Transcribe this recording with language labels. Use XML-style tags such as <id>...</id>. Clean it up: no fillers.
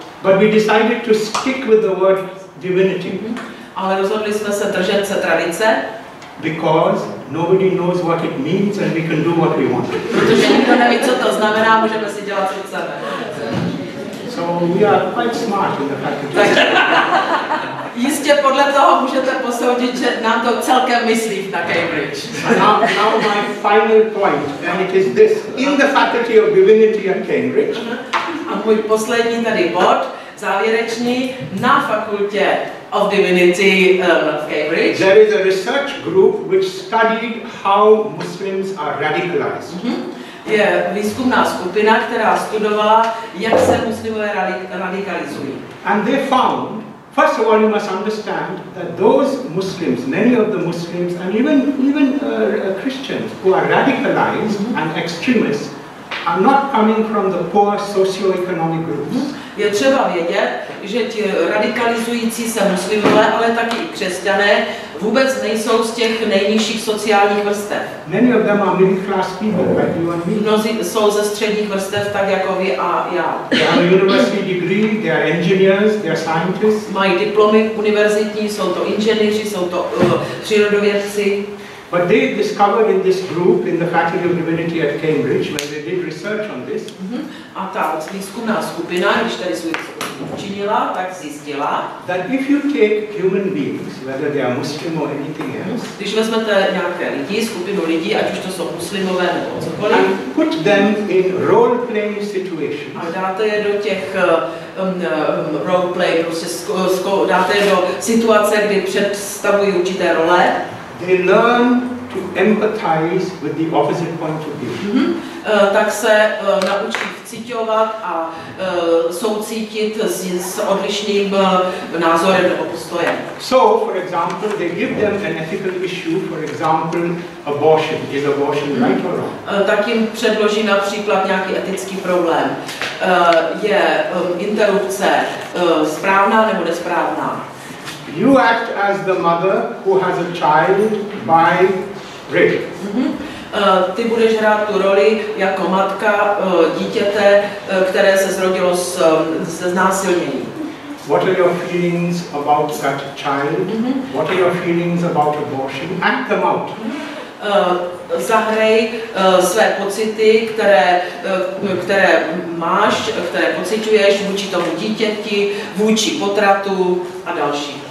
<en>But we decided to stick with the word divinity.</en> <cs>Ale rozhodli jsme se držet se tradice.</cs> <en>Because nobody knows what it means and we can do what we want.</en> <cs>Protože nikdo neví, co to znamená, můžeme si dělat, co chceme.</cs> <en>So we are quite smart in the faculty.</en> <cs>Jistě podle toho můžete posoudit, že nám to celkem myslí na Cambridge.</cs> <en>Now my final point, and it is this. In the Faculty of Divinity at Cambridge.</en> <cs>A můj poslední tady bod, závěrečný, na Fakultě</cs> <en>of Divinity at Cambridge. There is a research group which studied how Muslims are radicalized.</en> <cs>Je výzkumná skupina, která studovala, jak se muslimové radikalizují.</cs> <en>And they found, first of all, you must understand that those Muslims, many of the Muslims, and even Christians who are radicalized and extremists, are not coming from the poor socio-economic groups.</en> <cs>Je třeba vědět, že ti radikalizující se muslimové, ale taky i křesťané, vůbec nejsou z těch nejnižších sociálních vrstev.</cs> <en>Many of them are middle class people, like you and me.</en> <cs>Mnozí jsou ze středních vrstev, tak jako vy a já.</cs> <en>They have a university degree, they are engineers, they are scientists.</en> <cs>Mají diplomy univerzitní, jsou to inženýři, jsou to přírodovědci.</cs> <en>But they discovered in this group, in the Faculty of Divinity at Cambridge, when they did research on this.</en> <cs>A ta výzkumná skupina, když tady svůj učinila, tak zjistila,</cs> <en>that if you take human beings, whether they are Muslim or anything else,</en> <cs>když vezmete nějaké lidi, skupinu lidí, ať už to jsou muslimové nebo cokoliv,</cs> <en>put them in role-playing situations.</en> <cs>A dáte je do těch role-play, prostě dáte je do situace, kdy představují určité role,</cs> <en>they learn to empathize with the opposite point of view.</en> <cs>Tak se naučí vcitovat a soucítit s odlišným názorem nebo postojem.</cs> <en>So, for example, they give them an ethical issue, for example, abortion. Is abortion right or wrong?</en> <cs>Tak jim předloží například nějaký etický problém. Je interrupce správná nebo nesprávná?</cs> <en>You act as the mother who has a child by rape.</en> <cs>Ty budeš hrát tu roli jako matka dítěte, které se zrodilo se znásilnění.</cs> <en>What are your feelings about that child? What are your feelings about abortion? Act them out.</en> <cs>Zahraj své pocity, které máš, které pociťuješ vůči tomu dítěti, vůči potratu a další.</cs>